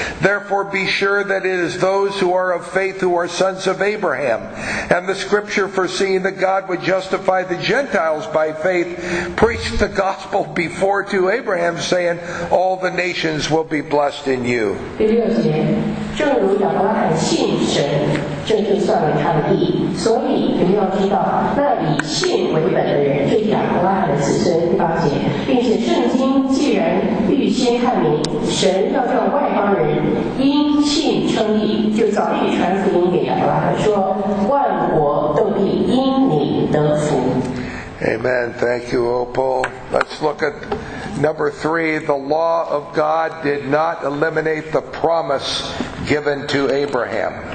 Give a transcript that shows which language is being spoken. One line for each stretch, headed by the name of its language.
English: Therefore be sure that it is those who are of faith who are sons of Abraham. And the scripture foreseeing that God would justify the Gentiles by faith preached the gospel before to Abraham saying, all the nations will be blessed in you.
Chinese: 正如亚伯拉罕信神，正就算为他的义。所以你们要知道，那以信为本的人，就亚伯拉罕的子孙第八节，并且圣经既然预先看明神要叫外邦人因信称义，就早已传福音给亚伯拉罕说，万国都必因你得福。Amen.
English: Thank you, Opal. Let's look at number 3. The law of God did not eliminate the promise given to Abraham.